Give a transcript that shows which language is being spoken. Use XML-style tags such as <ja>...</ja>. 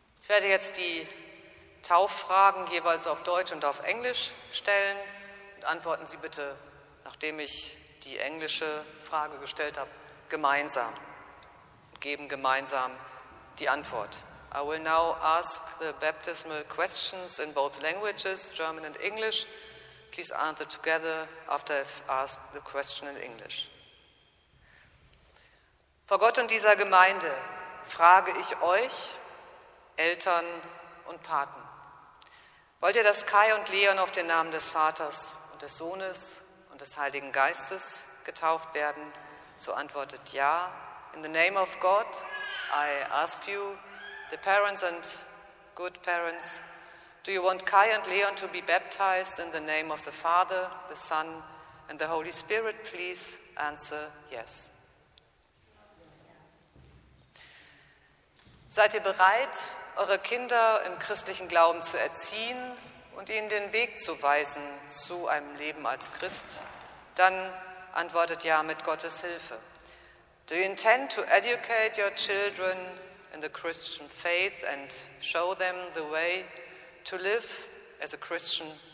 <de>Ich werde jetzt die Tauffragen jeweils auf Deutsch und auf Englisch stellen. Und antworten Sie bitte, nachdem ich die englische Frage gestellt habe, gemeinsam. Und geben gemeinsam die Antwort.</de> <en>I will now ask the baptismal questions in both languages, German and English. Please answer together after I've asked the question in English.</en> <de>Vor Gott und dieser Gemeinde frage ich euch, Eltern und Paten. Wollt ihr, dass Kai und Leon auf den Namen des Vaters und des Sohnes und des Heiligen Geistes getauft werden? So antwortet ja.</de> <en>In the name of God, I ask you, the parents and good parents, do you want Kai and Leon to be baptized in the name of the Father, the Son, and the Holy Spirit? Please answer yes.</en> <de>Seid ihr bereit, eure Kinder im christlichen Glauben zu erziehen und ihnen den Weg zu weisen zu einem Leben als Christ? Dann antwortet ja mit Gottes Hilfe.</de> <en>Do you intend to educate your children in the Christian faith and show them the way to live as a Christian?</en>